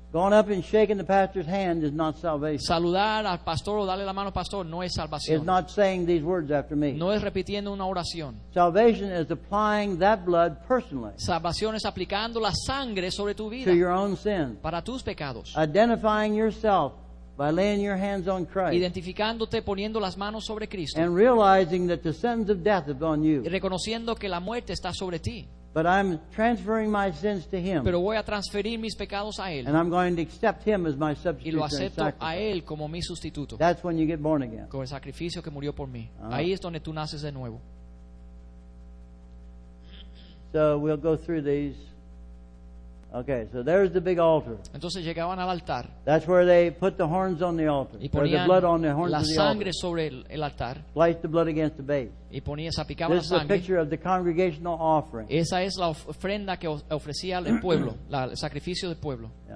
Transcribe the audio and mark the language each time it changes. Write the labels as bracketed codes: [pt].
[en] Going up and shaking the pastor's hand is not salvation. [es] Saludar al pastor o darle la mano al pastor no es salvación. [en] It's not saying these words after me. [es] No es repitiendo una oración. [en] Salvation is applying that blood personally. [es] Salvación es aplicando la sangre sobre tu vida. [en] To your own sin. [es] Para tus pecados. [en] Identifying yourself by laying your hands on Christ. [es] Identificándote poniendo las manos sobre Cristo. [en] And realizing that the sentence of death is on you. [es] Y reconociendo que la muerte está sobre ti. [en] But I'm transferring my sins to Him. [es] Pero voy a transferir mis pecados a Él. [en] And I'm going to accept Him as my substitute. [es] Y lo acepto a Él como mi sustituto. [en] That's when you get born again. [es] Con el sacrificio que murió por mí. Ahí es donde tú naces de nuevo. [en] So we'll go through these. Okay, so there's the big altar. [es] Entonces llegaban al altar. [en] That's where they put the horns on the altar. [es] Y ponían [en] or the blood on the horns [es] la sangre [en] of the [es] sobre el altar. [en] Placed the blood against the base. [es] Y ponía, salpicaban la sangre. [en] This is a picture of the congregational offering. [es] Esa es la ofrenda que ofrecía el pueblo, el sacrificio del pueblo.